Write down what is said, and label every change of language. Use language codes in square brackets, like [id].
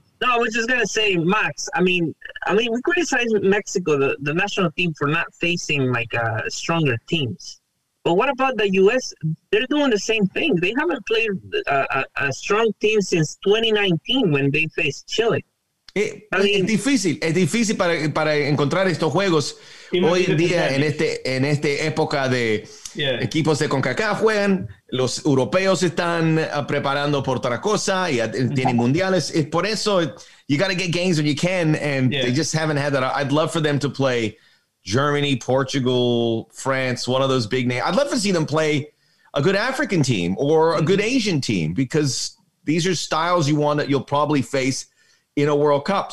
[en] No, I was just going to say, Max, I mean, we criticize Mexico, the national team, for not facing, stronger teams. But what about the U.S.? They're doing the same thing. They haven't played a strong team since 2019 when they faced Chile. [es] Es difícil para encontrar estos juegos hoy en día en esta época de equipos de CONCACAF juegan, los europeos están preparando por otra cosa y tienen mundiales. Es por eso, [en] you got to get games when you can, and they just haven't had that. I'd love for them to play Germany, Portugal, France, one of those big names. I'd love to see them play a good African team or a good Asian team, because these are styles you'll probably face in a World Cup.